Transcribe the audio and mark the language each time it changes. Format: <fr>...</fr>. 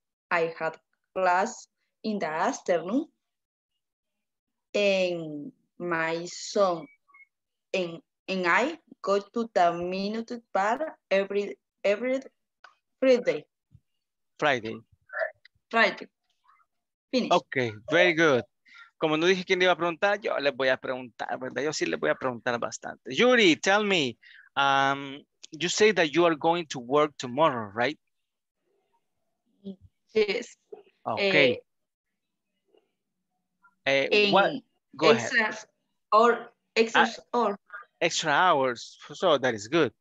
<en>I had class in the afternoon. And my son and I go to the minute bar every Friday. Friday. Finish. Okay, very good.</en> <es>Como no dije quién iba a preguntar, yo les voy a preguntar, ¿verdad? Yo sí les voy a preguntar bastante.</es> <en>Yuri, tell me, you say that you are going to work tomorrow, right? Yes. Okay. Extra hours, so that is good.</en>